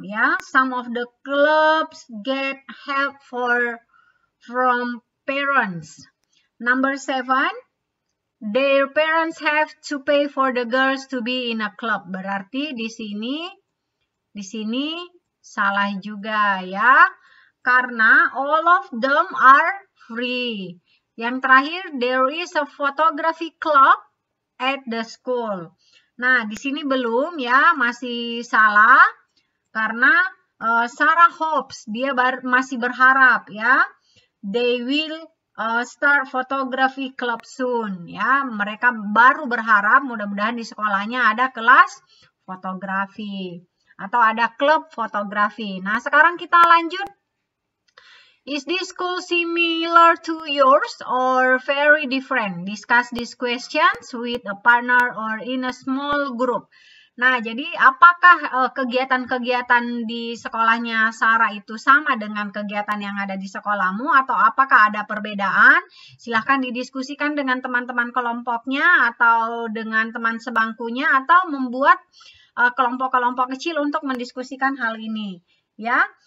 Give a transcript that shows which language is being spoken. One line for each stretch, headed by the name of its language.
English: Ya, some of the clubs get help from parents. Number 7. Their parents have to pay for the girls to be in a club.
Indonesian: Berarti di sini salah juga ya. Karena
English: all of them are free.
Indonesian: Yang terakhir,
English: there is a photography club at the school.
Indonesian: Nah, di sini belum ya, masih salah. Karena
English: Sarah hopes,
Indonesian: dia masih berharap ya.
English: They will start photography club soon, ya.
Indonesian: Mereka baru berharap, mudah-mudahan di sekolahnya ada kelas fotografi atau ada klub fotografi. Nah, sekarang kita lanjut.
English: Is this school similar to yours or very different? Discuss these questions with a partner or in a small group.
Indonesian: Nah, jadi apakah kegiatan-kegiatan di sekolahnya Sarah itu sama dengan kegiatan yang ada di sekolahmu atau apakah ada perbedaan? Silahkan didiskusikan dengan teman-teman kelompoknya atau dengan teman sebangkunya atau membuat kelompok-kelompok kecil untuk mendiskusikan hal ini, ya.